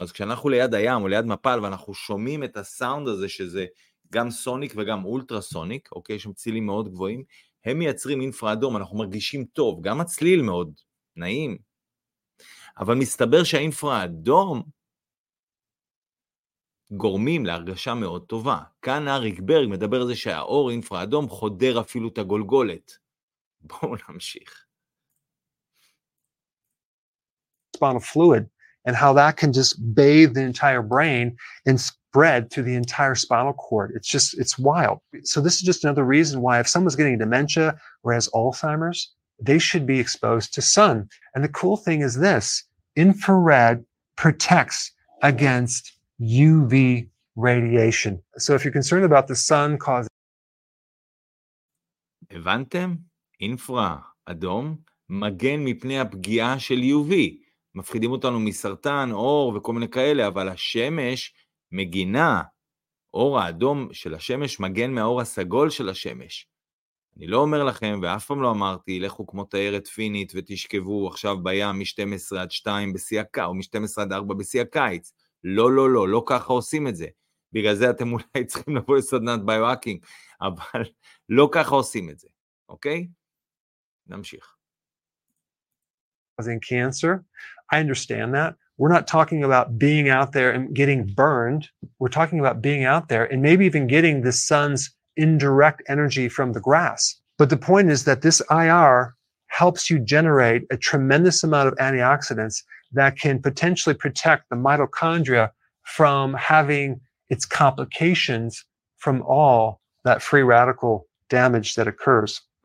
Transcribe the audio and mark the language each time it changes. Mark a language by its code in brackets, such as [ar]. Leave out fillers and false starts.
[he] אז כשאנחנו ליד הים או ליד מפל ואנחנו שומעים את הסאונד הזה, שזה גם סוניק וגם אולטרסוניק, אוקיי, שם צילים מאוד גבוהים, הם מייצרים אינפרה אדום, אנחנו מרגישים טוב, גם הצליל מאוד נעים. אבל מסתבר שהאינפרה אדום גורמים להרגשה מאוד טובה. כאן אריק ברג מדבר על זה שהאור אינפרה אדום חודר אפילו את הגולגולת. בואו נמשיך. [en] Spinal fluid and how that can just bathe the entire brain and spread through the entire spinal cord. It's wild. So this is just another reason why if someone's getting dementia or has Alzheimer's, they should be exposed to sun. And the cool thing is this, infrared protects against UV radiation. So if you're concerned about the sun causing... [he] הבנתם? אינפרה אדום מגן מפני הפגיעה של UV. מפחידים אותנו מסרטן, אור וכל מיני כאלה, אבל השמש מגינה. אור האדום של השמש מגן מהאור הסגול של השמש. אני לא אומר לכם, ואף פעם לא אמרתי, לכו כמו תיירת פינית ותשכבו עכשיו בים מ-12 עד 2 בשיא הקיץ, או מ-12 עד 4 בשיא הקיץ. לא, לא, לא, לא ככה עושים את זה. בגלל זה אתם אולי צריכים לבוא לסדנת ביו-האקינג. אבל לא ככה עושים את זה, אוקיי? נמשיך. [en] As in cancer, I understand that. We're not talking about being out there and getting burned. We're talking about being out there and maybe even getting the sun's indirect energy from the grass. But the point is that this IR helps you generate a tremendous amount of antioxidants that can potentially protect the mitochondria from having its complications from all that free radical damage that occurs.